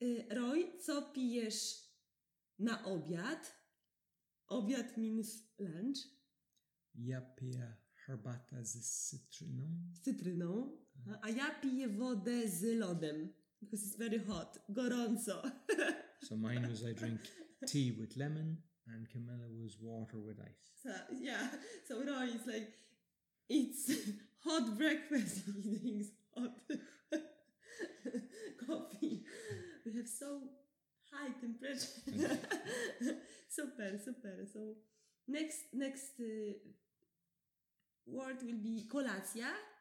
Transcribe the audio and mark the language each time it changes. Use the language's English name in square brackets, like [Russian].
[Polish] Roy, co pijesz na obiad? [English] Obiad means lunch. [Polish] Ja piję herbatę z cytryną. Cytryną. A ja piję wodę z lodem, [English] because it's very hot, [Polish] gorąco. [English] So mine was I drink tea with lemon, and Camilla was water with ice. So, yeah, so Roy is like, it's hot breakfast, he drinks hot coffee. We have so high temperature. Super, super. So next word will be kolacja.